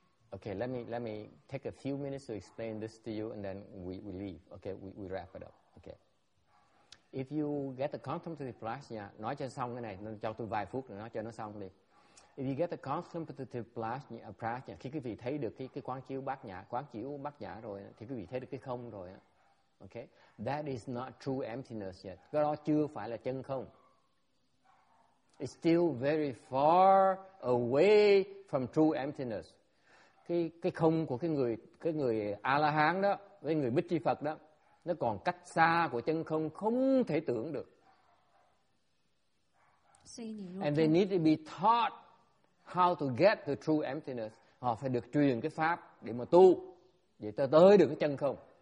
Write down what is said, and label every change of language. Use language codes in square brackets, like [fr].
[en] Okay, let me take a few minutes to explain this to you and then we leave. Okay, we wrap it up. Okay. If you get the contemplative plasma, [vi] nói cho xong cái này, cho tôi vài phút nữa, nói cho nó xong đi. [en] If you get the contemplative plasma, [vi] khi quý vị thấy được cái quán chiếu bát nhã rồi, thì quý vị thấy được cái không rồi. [en] Okay, that is not true emptiness yet. [vi] Cái đó chưa phải là chân không. [en] It's still very far away from true emptiness. [vi] Cái không của cái người A-la-hán đó, với người Bích Chi Phật đó, nó còn cách xa của chân không, không thể tưởng được. [en] And they need to be taught how to get the true emptiness. [vi] Họ phải được truyền cái pháp để mà tu, để ta tới được cái chân không.